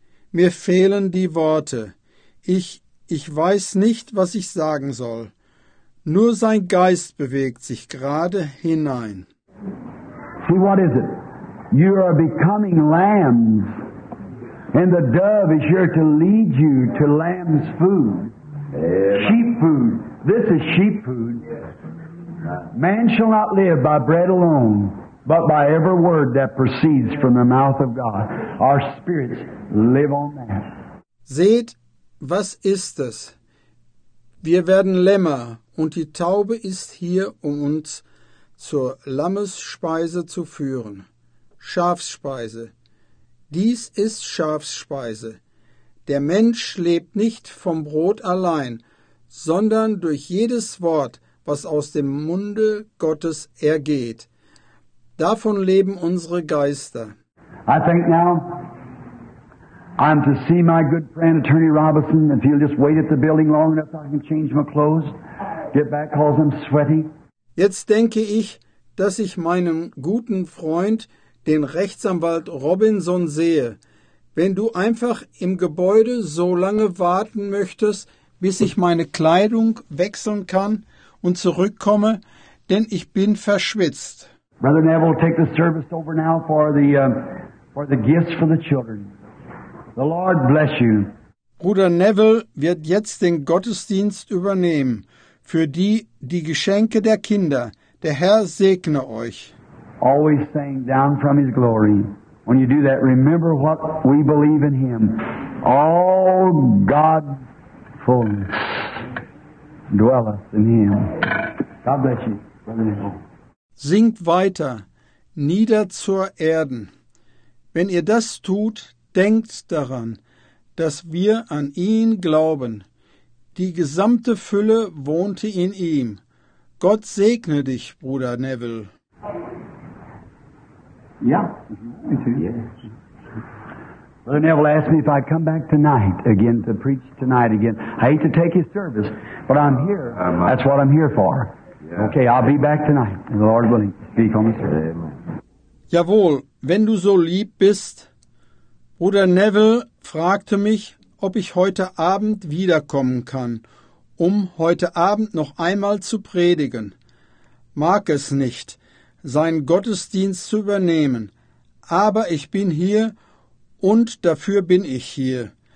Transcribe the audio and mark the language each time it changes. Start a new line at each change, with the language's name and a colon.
German: Mir fehlen die Worte. Ich weiß nicht, was ich sagen soll. Nur sein Geist bewegt sich gerade hinein.
English: See, what is it? You are becoming lambs. And the dove is here to lead you to lamb's food. Sheep food. This is sheep food. Man shall not live by bread alone, but by every word that proceeds from the mouth of God. Our spirits live on that.
German: Seht, was ist es? Wir werden Lämmer, und die Taube ist hier, um uns zur Lammesspeise zu führen. Schafsspeise. Dies ist Schafsspeise. Der Mensch lebt nicht vom Brot allein, sondern durch jedes Wort, was aus dem Munde Gottes ergeht. Davon leben unsere Geister.
English: I think now I'm to see my good friend, Attorney Robinson. If he'll just wait at the building long enough, I can change my clothes, get back, cause I'm sweaty.
German: Jetzt denke ich, dass ich meinen guten Freund, den Rechtsanwalt Robinson, sehe. Wenn du einfach im Gebäude so lange warten möchtest, bis ich meine Kleidung wechseln kann und zurückkomme, denn ich bin verschwitzt.
English: Brother Neville, take the service over now for the gifts for the children. The Lord bless you.
German: Bruder Neville wird jetzt den Gottesdienst übernehmen für die Geschenke der Kinder. Der Herr segne euch.
English: Always sing down from his glory When you do that, remember what we believe in Him. All God's fullness dwelleth in Him. God bless you, Brother Nichol.
German: Singt weiter, nieder zur Erden. Wenn ihr das tut, denkt daran, dass wir an ihn glauben. Die gesamte Fülle wohnte in ihm. Gott segne dich, Bruder Neville. Ja,
English: me too. Yes. Brother Neville asked me if I'd come back tonight again to preach tonight again. I hate to take his service, but I'm here. That's what I'm here for. Yeah. Okay, I'll be back tonight. The Lord willing, speak on the service.
German: Jawohl, wenn du so lieb bist. Bruder Neville fragte mich, ob ich heute Abend wiederkommen kann, um heute Abend noch einmal zu predigen. Mag es nicht, seinen Gottesdienst zu übernehmen, aber ich bin hier und dafür bin ich hier.